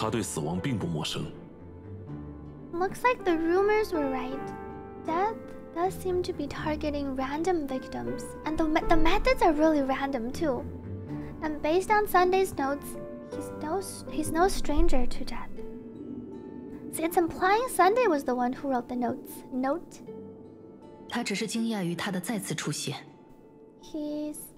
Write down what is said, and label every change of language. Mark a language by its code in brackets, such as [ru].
[zh] 并且从星期日的批注内容来看，他对死亡并不陌生。 [en] Looks like the rumors were right. Death does seem to be targeting random victims, and the methods are really random too. And based on Sunday's notes, he's no stranger to death. See, it's implying Sunday was the one who wrote the notes. Note. [zh] 他只是惊讶于他的再次出现。 [en] He's